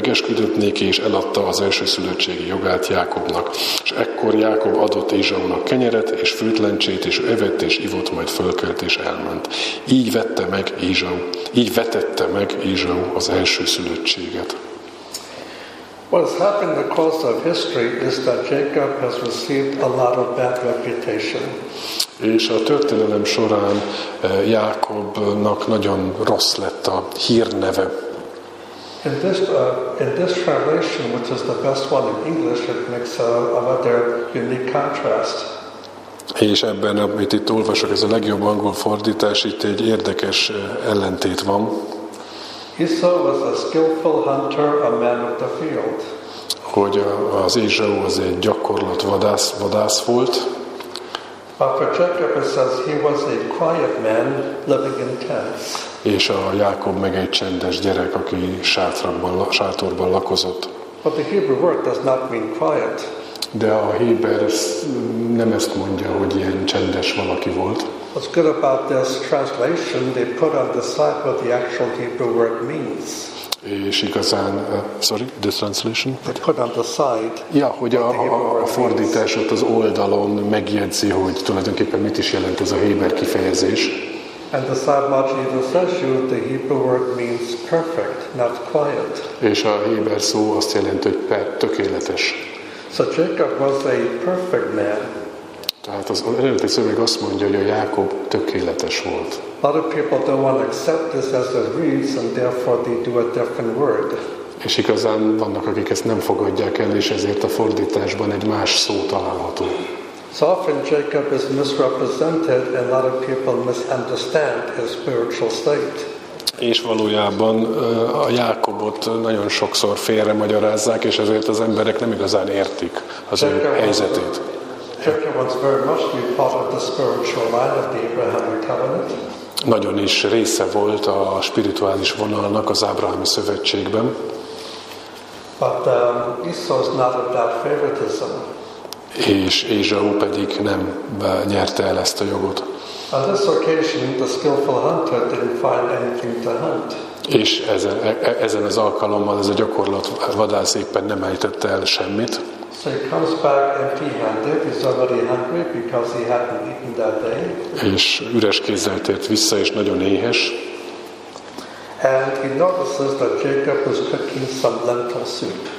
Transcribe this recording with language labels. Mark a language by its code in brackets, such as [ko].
[hu] megesküdött néki, és eladta az elsőszülöttségi jogát Jákobnak. És ekkor Jákob adott Ézsaúnak kenyeret, és főtlencsét, és evett, és ivott, majd fölkelt, és elment. Így vetette meg Ézsaú az elsőszülöttséget. [en] What has happened in the course of history is that Jacob has received a lot of bad reputation. [hu] És a történelem során Jákobnak nagyon rossz lett a hírneve. [en] In this translation, which is the best one in English, it makes a rather unique contrast. [hu] És ebben, amit itt olvasok, ez a legjobb angol fordítás, itt egy érdekes ellentét van. [en] Esau was a skillful hunter, a man of the field. [hu] Hogy az Ézsau az egy gyakorlott vadász volt. [en] But for Jacob it says he was a quiet man living in tents. [hu] És a Jákob meg egy csendes gyerek, aki sátorban lakozott. [en] But the Hebrew word does not mean quiet. [hu] De a héber nem ezt mondja, hogy ilyen csendes valaki volt. [en] What's good about this translation, they put on the side what the actual Hebrew word means. [hu] És igazán, [en] sorry, the translation? They put on the side. [hu] Ja, hogy a fordítás ott az oldalon megjegyzi, hogy tulajdonképpen mit is jelent ez a héber kifejezés. [en] And the side margin even says you the Hebrew word means perfect, not quiet. [hu] És a héber szó azt jelenti, hogy tökéletes. [en] So Jacob was a perfect man. [hu] Tehát az eredeti szöveg azt mondja, hogy a Jákob tökéletes volt. [en] A lot of people don't want to accept this as it reads, and therefore they do a different word. [hu] És igazán vannak, akik ezt nem fogadják el, és ezért a fordításban egy más szó található. [en] So often Jacob is misrepresented, and a lot of people misunderstand his spiritual state. [hu] És valójában a Jákobot nagyon sokszor félre magyarázzák, és ezért az emberek nem igazán értik az ő helyzetét. [en] Jacob was very much part of the spiritual line of the Abrahamic covenant. [hu] Nagyon is része volt a spirituális vonalnak az ábrahámi szövetségben. [en] But Esau is not of that favoritism. [hu] És Ézsau pedig nem nyerte el ezt a jogot. [en] On this occasion, the skillful hunter didn't find anything to hunt. [hu] És ezen az alkalommal ez a gyakorlott vadász éppen nem ejtette el semmit. [en] So he comes back empty-handed. He's already hungry because he hadn't eaten that day. [hu] És üres kézzel tért vissza, és nagyon éhes. [en] And he notices that Jacob is cooking some lentil soup.